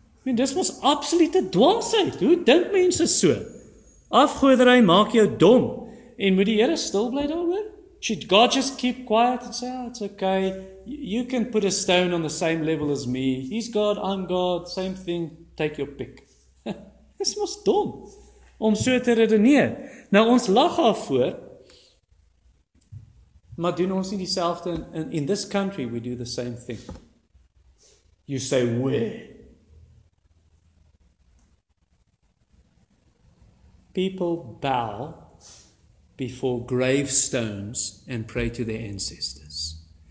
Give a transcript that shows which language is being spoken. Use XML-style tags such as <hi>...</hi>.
<af>dis was absolute dwaasheid. Hoe dink mense so? Afgoderry maak jou dom. En moet die Here stil bly daaroor?</af> <en>Should God just keep quiet and say, oh, it's okay. You can put a stone on the same level as me. He's God, I'm God, same thing, take your pick.</en> <af>Dis mos dom om so te redeneer. Nou, ons lag daarvoor, maar doen ons nie dieselfde?</af> <en>In this country, we do the same thing. You say, where? People bow before gravestones and pray to their ancestors.</en>